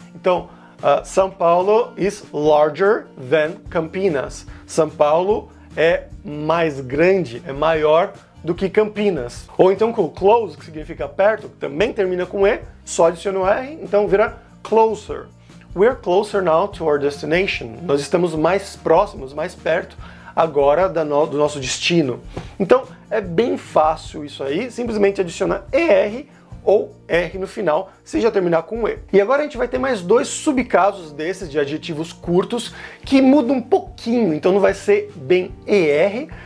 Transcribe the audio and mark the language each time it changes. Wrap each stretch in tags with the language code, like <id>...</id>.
<en>Então, São Paulo is larger than Campinas.</en> <pt>São Paulo é mais grande, é maior do que Campinas. Ou então com close, que significa perto, que também termina com E, só adiciona o R, então vira closer.</pt> <en>We are closer now to our destination.</en> <pt>Nós estamos mais próximos, mais perto agora do nosso destino. Então é bem fácil isso aí, simplesmente adiciona ER ou R no final, se já terminar com E. E agora a gente vai ter mais dois subcasos desses de adjetivos curtos que mudam um pouquinho, então não vai ser bem ER.</pt>